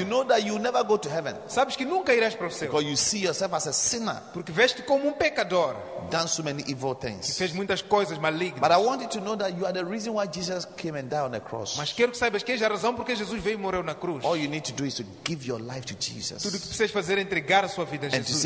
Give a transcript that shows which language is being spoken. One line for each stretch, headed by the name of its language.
English: You know that you never go to heaven.
Portuguese: Sabes que nunca irás para o céu.
English: Because you see yourself as a sinner.
Portuguese: Porque veste como pecador.
English: Done so many evil things.
Portuguese: Que fez muitas coisas malignas.
English: But I want you to know that you are the reason why Jesus came and died on the cross.
Portuguese: Mas quero que saibas que és a razão porque Jesus veio e morreu na cruz.
English: All you need to do is to give your life to Jesus.
Portuguese: Tudo que precisas fazer é entregar a sua vida a Jesus.